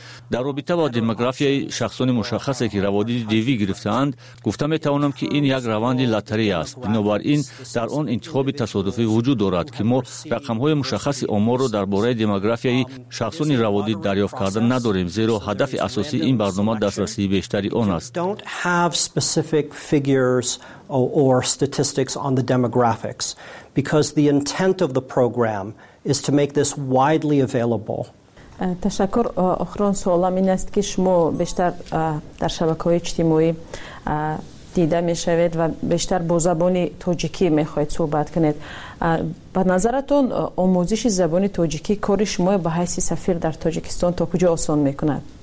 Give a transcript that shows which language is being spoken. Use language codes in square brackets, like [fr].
[fa] در رابطه با دموگرافی شخصان مشخصی که روادید دیوی گرفتند، گفته می توانم که این یک روند لاتری است. بنابراین در آن انتخاب تصادفی وجود دارد که ما رقم های مشخص آمار را درباره دموگرافی شخصان روادید دریافت کردن نداریم، زیرا هدف اساسی این برنامه دسترسی بیشتری آن است. [en] Don't have specific figures or statistics on the demographics because the intent of the program is to make this widely available. [fa] تشکر. آخرون سوالم این است که شما بیشتر در شبکه‌های اجتماعی دیده می‌شوید و بیشتر با زبان تاجیکی می‌خواهید صحبت کنید. به نظرتون آموزش زبان تاجیکی کار شما به حیث سفیر در تاجیکستان تا کجا آسان می‌کند؟